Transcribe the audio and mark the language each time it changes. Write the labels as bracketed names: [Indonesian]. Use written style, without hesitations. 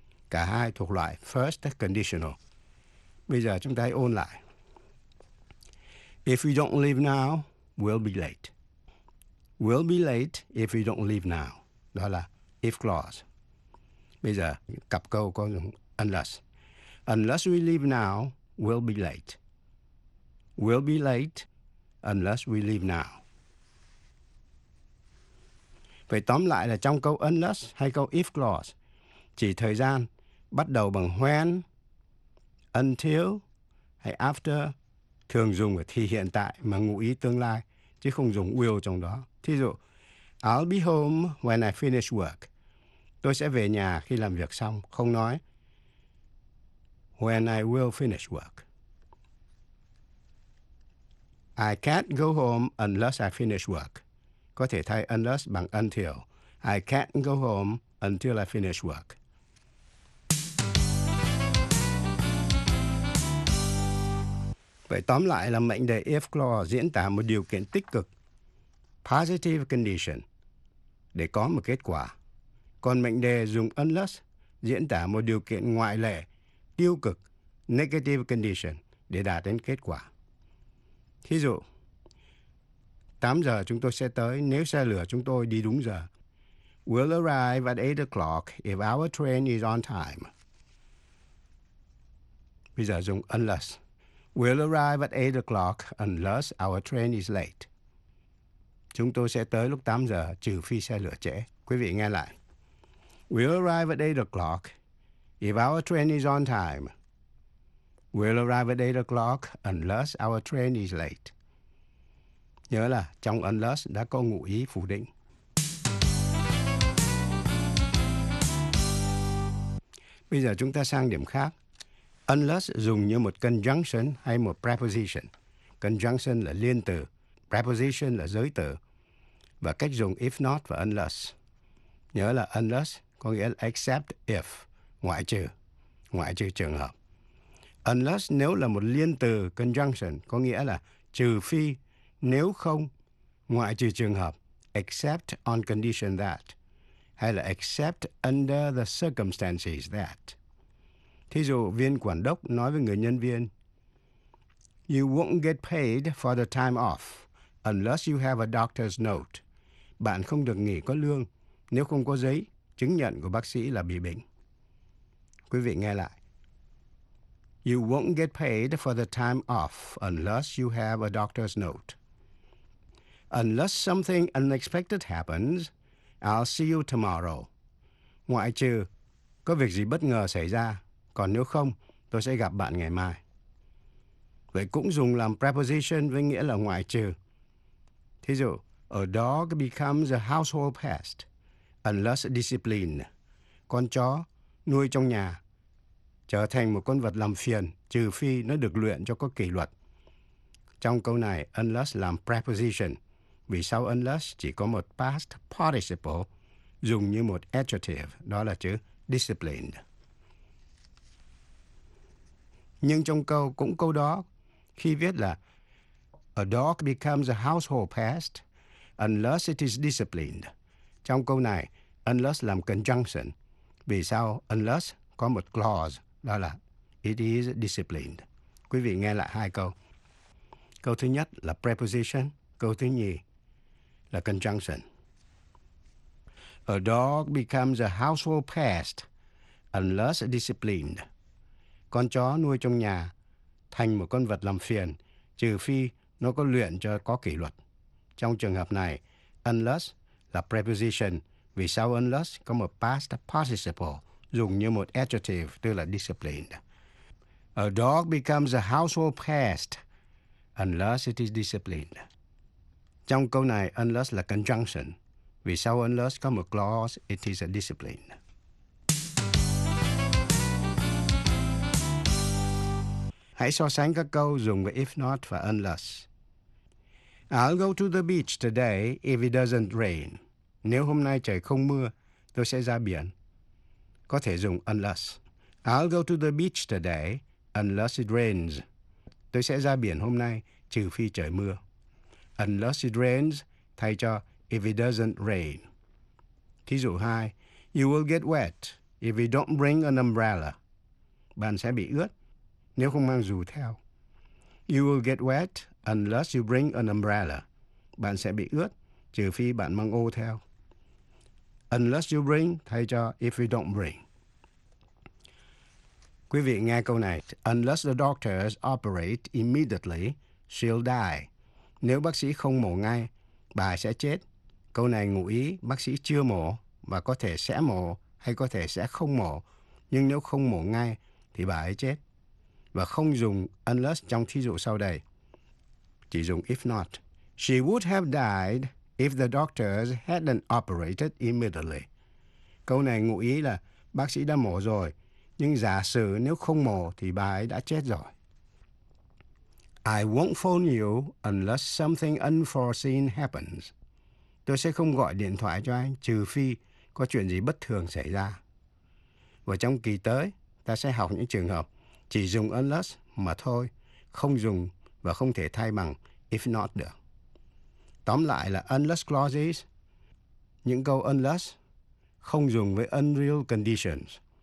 [Vietnamese] Cả hai thuộc loại first conditional. Bây giờ chúng ta hãy ôn lại. [English] If we don't leave now, we'll be late. We'll be late if we don't leave now. [Vietnamese] Đó là if clause. Bây giờ cặp câu có dùng unless. [English] Unless we leave now, we'll be late. We'll be late unless we leave now. [Vietnamese] Vậy tóm lại là trong câu unless hay câu if clause, chỉ thời gian bắt đầu bằng when, until hay after thường dùng ở thì hiện tại mà ngụ ý tương lai, chứ không dùng will trong đó. Thí dụ, [English] I'll be home when I finish work. [Vietnamese] Tôi sẽ về nhà khi làm việc xong, không nói [English] when I will finish work. I can't go home unless I finish work. [Vietnamese] Có thể thay unless bằng until. [English] I can't go home until I finish work. [Vietnamese] Vậy tóm lại là mệnh đề if clause diễn tả một điều kiện tích cực, positive condition, để có một kết quả. Còn mệnh đề dùng unless diễn tả một điều kiện ngoại lệ, tiêu cực, negative condition, để đạt đến kết quả. Thí dụ, 8 giờ chúng tôi sẽ tới nếu xe lửa chúng tôi đi đúng giờ. [English] We'll arrive at 8 o'clock if our train is on time. [Vietnamese] Bây giờ dùng [English] unless. We'll arrive at 8 o'clock unless our train is late. [Vietnamese] Chúng tôi sẽ tới lúc 8 giờ trừ phi xe lửa trễ. Quý vị nghe lại. [English] We'll arrive at 8 o'clock if our train is on time. We'll arrive at 8 o'clock unless our train is late. [Vietnamese] Nhớ là trong unless đã có ngụ ý phủ định. Bây giờ chúng ta sang điểm khác. Unless dùng như một conjunction hay một preposition. Conjunction là liên từ, preposition là giới từ. Và cách dùng if not và unless. Nhớ là unless có nghĩa là [English] except if, [Vietnamese] ngoại trừ trường hợp. Unless nếu là một liên từ, conjunction, có nghĩa là trừ phi, nếu không, ngoại trừ trường hợp, [English] except on condition that, [Vietnamese] hay là [English] except under the circumstances that. [Vietnamese] Thí dụ, viên quản đốc nói với người nhân viên, [English] you won't get paid for the time off unless you have a doctor's note. [Vietnamese] Bạn không được nghỉ có lương nếu không có giấy chứng nhận của bác sĩ là bị bệnh. Quý vị nghe lại. [English] You won't get paid for the time off unless you have a doctor's note. Unless something unexpected happens, I'll see you tomorrow. [Vietnamese] Ngoại trừ có việc gì bất ngờ xảy ra, còn nếu không, tôi sẽ gặp bạn ngày mai. Vậy cũng dùng làm preposition với nghĩa là ngoại trừ. Thí dụ, [English] a dog becomes a household pest Unless discipline, [Vietnamese] con chó nuôi trong nhà trở thành một con vật làm phiền trừ phi nó được luyện cho có kỷ luật. Trong câu này, unless làm preposition, vì sau unless chỉ có một past participle dùng như một adjective, đó là chữ disciplined. Nhưng trong câu cũng câu đó, khi viết là [English] a dog becomes a household pest unless it is disciplined. [Vietnamese] Trong câu này, unless làm conjunction, vì sau unless có một clause, đó là [English] it is disciplined. [Vietnamese] Quý vị nghe lại hai câu. Câu thứ nhất là preposition, câu thứ nhì là conjunction. [English] A dog becomes a household pest unless disciplined. [Vietnamese] Con chó nuôi trong nhà thành một con vật làm phiền trừ phi nó có luyện cho có kỷ luật. Trong trường hợp này, unless là preposition, vì sau unless có một past participle dùng như một adjective, tức là disciplined. [English] A dog becomes a household pest unless it is disciplined. [Vietnamese] Trong câu này, unless là conjunction, vì sau unless có một clause, [English] it is a discipline. [Vietnamese] Hãy so sánh các câu dùng với if not và unless. [English] I'll go to the beach today if it doesn't rain. [Vietnamese] Nếu hôm nay trời không mưa, tôi sẽ ra biển. Có thể dùng unless. [English] I'll go to the beach today unless it rains. [Vietnamese] Tôi sẽ ra biển hôm nay trừ phi trời mưa. [English] Unless it rains [Vietnamese] thay cho [English] if it doesn't rain. [Vietnamese] Thí dụ 2. [English] You will get wet if you don't bring an umbrella. [Vietnamese] Bạn sẽ bị ướt nếu không mang dù theo. [English] You will get wet unless you bring an umbrella. [Vietnamese] Bạn sẽ bị ướt trừ phi bạn mang ô theo. [English] Unless you bring [Vietnamese] thay cho [English] if you don't bring. [Vietnamese] Quý vị nghe câu này. [English] Unless the doctors operate immediately, she'll die. [Vietnamese] Nếu bác sĩ không mổ ngay, bà sẽ chết. Câu này ngụ ý bác sĩ chưa mổ và có thể sẽ mổ hay có thể sẽ không mổ. Nhưng nếu không mổ ngay thì bà ấy chết. Và không dùng unless trong thí dụ sau đây. Chỉ dùng if not. [English] She would have died if the doctors hadn't operated immediately. [Vietnamese] Câu này ngụ ý là bác sĩ đã mổ rồi, nhưng giả sử nếu không mổ thì bà ấy đã chết rồi. [English] I won't phone you unless something unforeseen happens. [Vietnamese] Tôi sẽ không gọi điện thoại cho anh trừ phi có chuyện gì bất thường xảy ra. Và trong kỳ tới, ta sẽ học những trường hợp chỉ dùng unless mà thôi, không dùng và không thể thay bằng if not được. Tóm lại là unless clauses, những câu unless không dùng với unreal conditions.